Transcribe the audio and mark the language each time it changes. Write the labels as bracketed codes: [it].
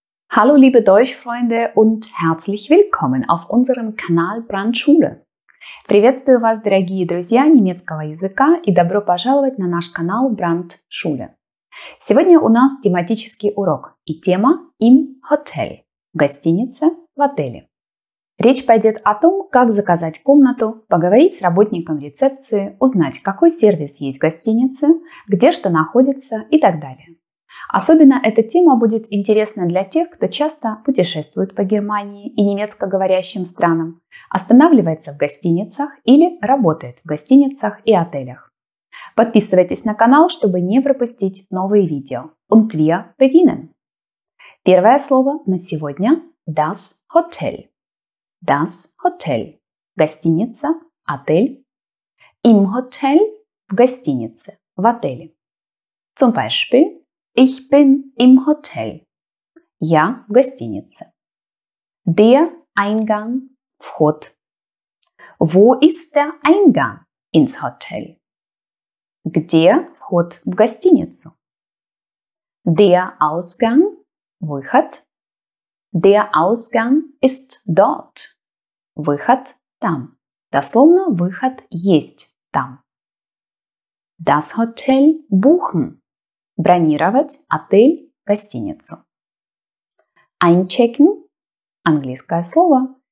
[de] Hallo liebe Deutschfreunde und herzlich willkommen auf unserem Kanal Brandschule. [ru] Приветствую вас, дорогие друзья немецкого языка и добро пожаловать на наш канал Brandschule. Сегодня у нас тематический урок и тема [de] «Im Hotel» [ru] – «Гостиница в отеле». Речь пойдет о том, как заказать комнату, поговорить с работником рецепции, узнать, какой сервис есть в гостинице, где что находится и так далее. Особенно эта тема будет интересна для тех, кто часто путешествует по Германии и немецкоговорящим странам, останавливается в гостиницах или работает в гостиницах и отелях. Подписывайтесь на канал, чтобы не пропустить новые видео. [de] Und wir beginnen. [ru] Первое слово на сегодня – das Hotel. [de] Das Hotel – [ru] гостиница, отель. [de] Im Hotel [ru] – в гостинице, в отеле. [de] Zum Beispiel – Ich bin im Hotel. [ru] Я в гостинице. [de] Der Eingang, [ru] вход. [de] Wo ist der Eingang ins Hotel? [ru] Где вход в гостиницу? [de] Der Ausgang, [ru] выход. [de] Der Ausgang ist dort. [ru] Выход там. Дословно, выход есть там. [de] Das Hotel buchen. [ru] Бронировать отель, гостиницу. Einchecken – английское слово.